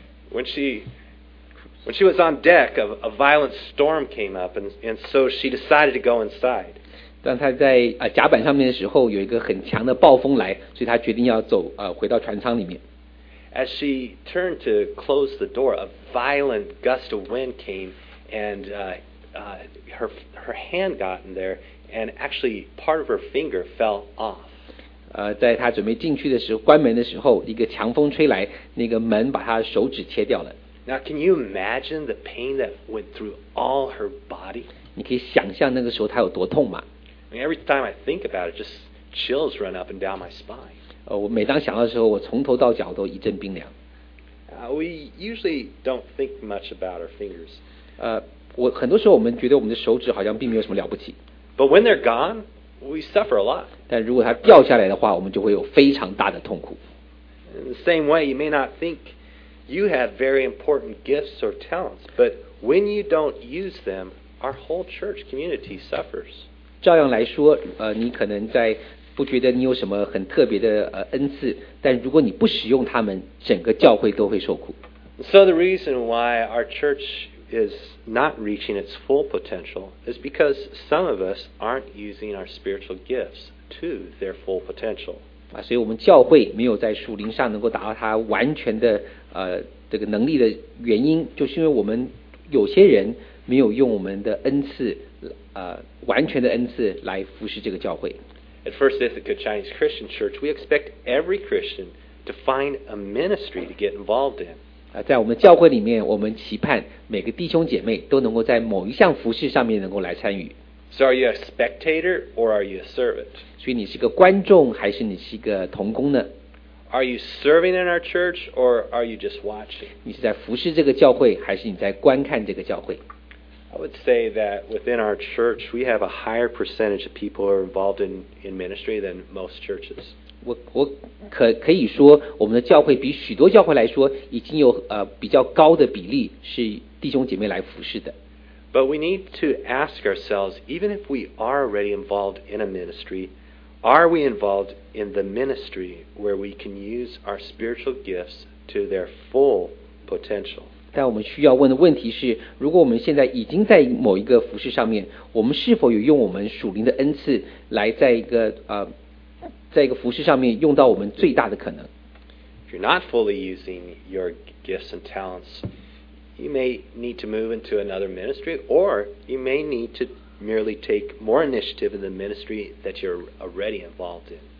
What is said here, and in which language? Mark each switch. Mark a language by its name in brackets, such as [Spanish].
[English] When she was on deck, a violent storm came up, and so she decided to go inside. [Chinese] 当她在甲板上面的时候，有一个很强的暴风来，所以她决定要走回到船舱里面。 [English] As she turned to close the door, a violent gust of wind came, and her hand got in there, and actually part of her finger fell off. [Chinese] 在他准备进去的时候，关门的时候，一个强风吹来，那个门把他的手指切掉了。 [English] Now, can you imagine the pain that went through all her body? [Chinese] 你可以想象那个时候他有多痛吗 [English] I mean, every time I think about it, just chills run up and down my spine. [Chinese] 我每当想到的时候，我从头到脚都一阵冰凉。 [English] We usually don't think much about our fingers. [Chinese] 我很多时候我们觉得我们的手指好像并没有什么了不起。 [English] But when they're gone,We suffer a lot. [Chinese] 但如果它掉下来的话，我们就会有非常大的痛苦。 [English] In the same way, you may not think You have very important gifts or talents, but when you don't use them, our whole church community suffers. [Chinese] 照样来说，你可能在不觉得你有什么很特别的恩赐，但如果你不使用它们，整个教会都会受苦。 [English] So the reason why our church is not reaching its full potential is because some of us aren't using our spiritual gifts to their full potential. [Chinese] 所以我们教会没有在属灵上能够达到它完全的这个能力的原因，就是因为我们有些人没有用我们的恩赐完全的恩赐来服侍这个教会。 [English] At First Ithaca Chinese Christian Church, we expect every Christian to find a ministry to get involved in. [Chinese] 在我们教会里面，我们期盼每个弟兄姐妹都能够在某一项服事上面能够来参与。 [English] So are you a spectator or are you a servant? [Chinese] 所以你是个观众还是你是一个同工呢？ [English] Are you serving in our church or are you just watching? [Chinese] 你是在服事这个教会还是你在观看这个教会？ [English] I would say that within our church, we have a higher percentage of people who are involved in ministry than most churches. [Chinese] 我可以说，我们的教会比许多教会来说，已经有比较高的比例是弟兄姐妹来服事的。 [English] But we need to ask ourselves, even if we are already involved in a ministry, are we involved in the ministry where we can use our spiritual gifts to their full potential? [Chinese] 但我们需要问的问题是，如果我们现在已经在某一个服事上面，我们是否有用我们属灵的恩赐来在一个服事上面用到我们最大的可能？ [English] If you're not fully using your gifts and talents, you may need to move into another ministry, or you may need to merely take more initiative in the ministry that you're already involved in.